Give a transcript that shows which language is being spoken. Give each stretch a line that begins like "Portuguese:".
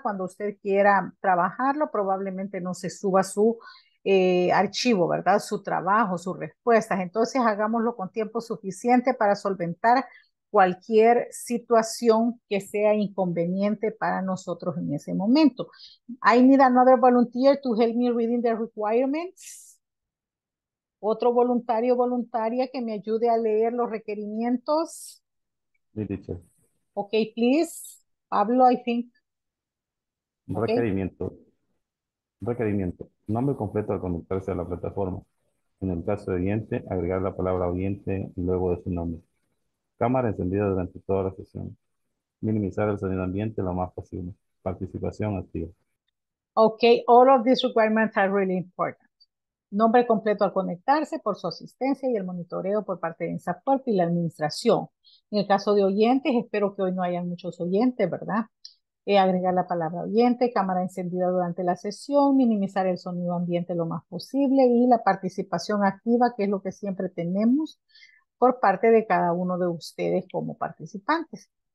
Spanish: Cuando usted quiera trabajarlo, probablemente no se suba su archivo, ¿verdad? Su trabajo, sus respuestas. Entonces, hagámoslo con tiempo suficiente para solventar cualquier situación que sea inconveniente para nosotros en ese momento.
English: I need another volunteer to help me reading the requirements.
Spanish: Otro voluntario o voluntaria que me ayude a leer los requerimientos.
English: Teacher. Ok, please. Pablo, I think. Ok.
Spanish: Requerimiento. Requerimiento. Nombre completo al conectarse a la plataforma. En el caso de oyente, agregar la palabra oyente luego de su nombre. Cámara encendida durante toda la sesión. Minimizar el sonido ambiente lo más posible. Participación activa.
English: Okay, all of these requirements are really important.
Spanish: Nombre completo al conectarse por su asistencia y el monitoreo por parte de soporte y la administración. En el caso de oyentes, espero que hoy no hayan muchos oyentes, ¿verdad? Agregar la palabra oyente, cámara encendida durante la sesión, minimizar el sonido ambiente lo más posible y la participación activa, que es lo que siempre tenemos por parte de cada uno de ustedes como participantes.